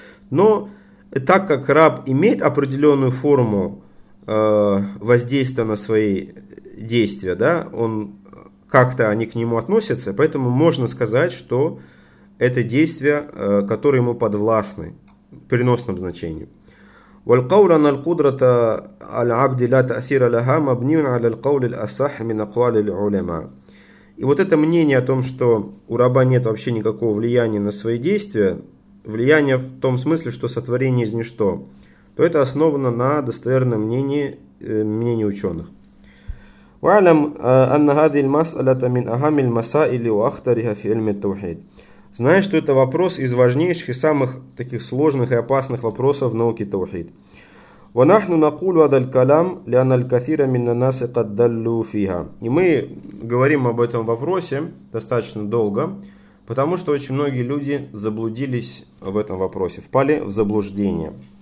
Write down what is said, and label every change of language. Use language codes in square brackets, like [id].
[ru] Но так как раб имеет определенную форму воздействия на свои действия, да, он как-то они к нему относятся, поэтому можно сказать, что это действия, которые ему подвластны в переносном значении. [ar] والقول أن القدرة على عبد لا تأثير لها مبني على القول الأصح من أقوال العلماء. [ru] И вот это мнение о том, что у раба нет вообще никакого влияния на свои действия, влияние в том смысле, что сотворение из ничто, то это основано на достоверном мнении ученых. [ar] وعلم أن هذه المسألة من أهم المسائل وأخطرها في علم التوحيد. [ru] Знаешь, что это вопрос из важнейших и самых таких сложных и опасных вопросов науки таухид. [ar] وَنَحْنُ نَقُولُ عَدَ الْكَلَامُ لِأَنَ الْكَثِيرَ مِنَّ النَّاسِ قَدْ دَلُّوا فِيهَا. [ru] И мы говорим об этом вопросе достаточно долго, потому что очень многие люди заблудились в этом вопросе, впали в заблуждение.